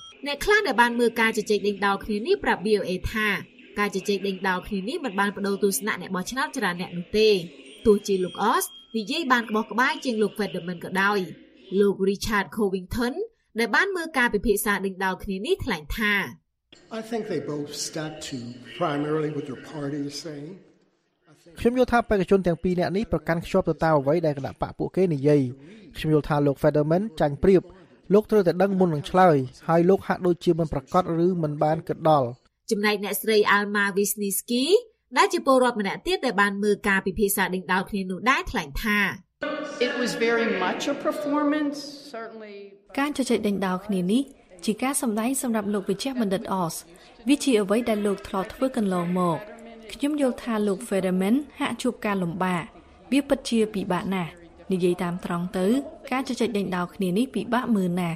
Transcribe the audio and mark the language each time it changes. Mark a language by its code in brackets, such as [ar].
[km] អ្នកខ្លះដែលបានមើលការជជែកដេញដោលគ្នានេះប្រាប់ VOA ថាការជជែកដេញដោលគ្នានេះមិនបានបដូរទស្សនៈអ្នកបោះឆ្នោតច្រើនអ្នកនោះទេទោះជាលោកអូសនិយាយបានក្បោះក្បាយជាងលោក Fetterman ក៏ដោយលោក Richard Covington ដ ដែលបានមើលការពិភាក្សាដេញដោលគ្នានេះថ្លែងថា [en] I think they both stuck to primarily what their party is saying. [km] ខ្ញុំយល់ថាបេក្ខជនទាំងពីរនាក់នេះប្រកាន់ខ្ជាប់ទៅតាមអ្វីដែលគណៈបកពួកគេនិយាយខ្ញុំយល់ថាលោក Federman ចាញ់ប្រៀបលោកត្រូវតែដឹងមុននឹងឆ្លើយហើយលោកហាក់ដូចជាមិនប្រកាសឬមិនបានគិតដល់ចំណែកអ្នកស្រី Alma Wisniewski ដែលជាពលរដ្ឋម្នាក់ទៀតដែលបានមើលការពិភាក្សាដេញដោលគ្នានោះដែរថ្លែងថា [en] It was very much a performance certainly [km] ការជជែកដេញដោលគ្នានេះជាការសម្ដែងសម្រាប់លោកវិជ្ជាបណ្ឌិត Oz វាជាអ្វីដែលលោកធ្លាប់ធ្វើកន្លងមកខ្ញុំយល់ថាលោក Federman ហាក់ជួបការលំបាកវាពិតជាពិបាកណាស់និយាយតាមត្រង់ទៅការជជែកដេញដោលគ្នានេះពិបាកមើលណាស